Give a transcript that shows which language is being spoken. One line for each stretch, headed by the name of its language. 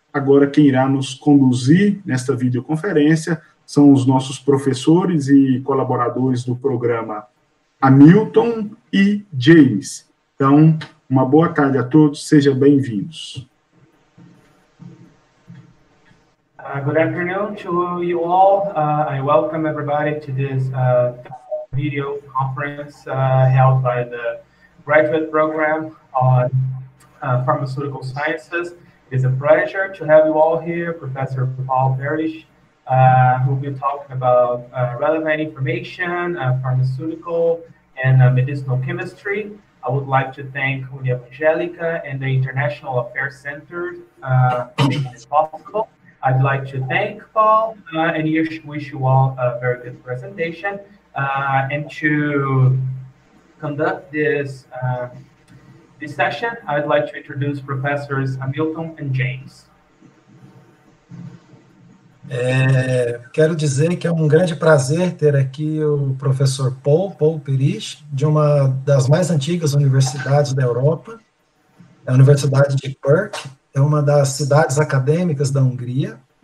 Portuguese: Agora, quem irá nos conduzir nesta videoconferência são os nossos professores e colaboradores do programa, Hamilton e James. Então, uma boa tarde a todos, sejam bem-vindos.
English: Good afternoon to you all. I welcome everybody to this video conference held by the graduate program on pharmaceutical sciences. It's a pleasure to have you all here, Professor Paul Persege, who will be talking about relevant information, pharmaceutical and medicinal chemistry. I would like to thank Uni Evangelica and the International Affairs Center for making this possible. I'd like to thank Paul and wish you all a very good presentation and to conduct this this session. I'd like to introduce professors Hamilton and James.
Portuguese: Quero dizer que é um grande prazer ter aqui o professor Paul Perich, de uma das mais antigas universidades da Europa, a Universidade de Perth, é uma das cidades acadêmicas da Hungria.